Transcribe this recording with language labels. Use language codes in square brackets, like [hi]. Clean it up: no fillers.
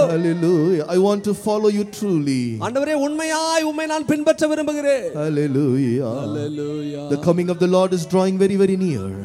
[en] Hallelujah. I want to follow you truly. [ta] ஆண்டவரே, உண்மையாய் உம்மை நான் பின்பற்ற விரும்புகிறேன். [en] Hallelujah. Hallelujah. The coming of the Lord is drawing very very near.